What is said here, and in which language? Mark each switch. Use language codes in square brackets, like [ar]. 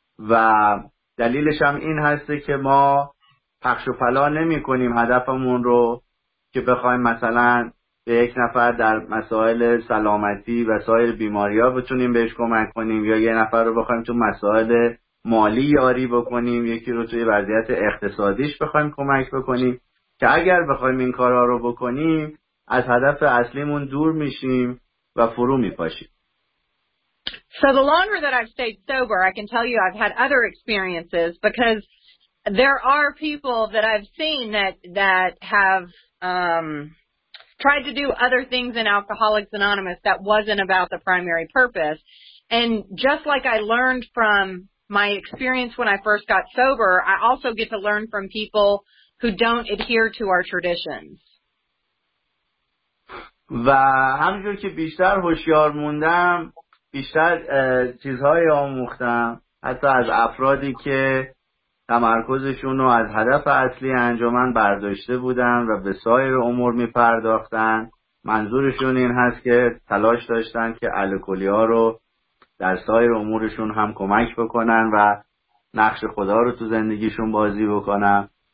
[fa] و دلیلش هم این هست که ما پخش و پلا نمی کنیم هدفمون رو که بخوایم مثلا به یک نفر در مسائل سلامتی و سایر بیماری ها بتونیم بهش کمک کنیم یا یه نفر رو بخوایم تو مسائل مالی یاری بکنیم، یکی رو توی وضعیت اقتصادیش بخوایم کمک بکنیم، که اگر بخوایم این کارها رو بکنیم از هدف اصلیمون دور میشیم و فرو میپاشیم. [en] So the longer that I've stayed sober, I can tell you I've had other experiences because there are people that I've seen that have tried to do other things in Alcoholics Anonymous that wasn't about the primary purpose. And just like I learned from my experience when I first got sober, I also get to learn from people who don't adhere to our traditions. [fa] و همجور که بیشتر هوشیار موندم، بیشتر چیزهای آموختم، حتی از افرادی که تمرکزشون رو از هدف اصلی انجمن برداشته بودن و به سایر امور می پرداختن، منظورشون این هست که تلاش داشتن که الکلی ها رو در سایر امورشون هم کمک بکنن و نقش خدا رو تو زندگیشون بازی بکنن.